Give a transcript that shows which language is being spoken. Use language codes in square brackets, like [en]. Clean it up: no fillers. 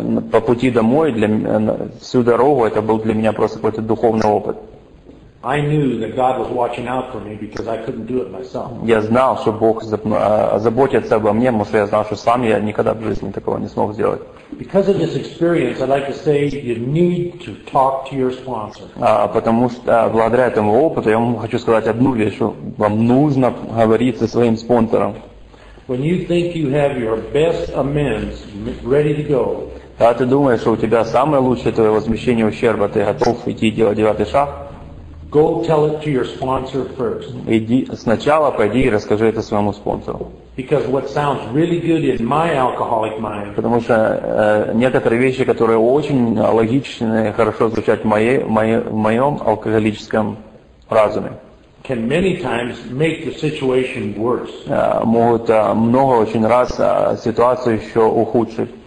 [ru] По пути домой всю дорогу это был для меня просто какой-то духовный опыт. [en] I knew that God was watching out for me because I couldn't do it myself. [ru] Я знал, что Бог заботится обо мне, потому что я знал, что сам я никогда в жизни такого не смог сделать. [en] Because of this experience, I'd like to say you need to talk to your sponsor. [ru] Потому что благодаря этому опыту я вам хочу сказать одну вещь, что вам нужно говорить со своим спонсором. [en] When you think you have your best amends ready to go. [ru] Когда ты думаешь, что у тебя самое лучшее твое возмещение ущерба, ты готов идти делать девятый шаг? [en] Go tell it to your sponsor first. [ru] Иди сначала пойди и расскажи это своему спонсору. [en] Because what sounds really good in my alcoholic mind. [ru] Потому что некоторые вещи, которые очень логичные, хорошо звучат в моем алкоголическом разуме. [en] Can many times make the situation worse. [ru] Могут много очень раз ситуацию еще ухудшить.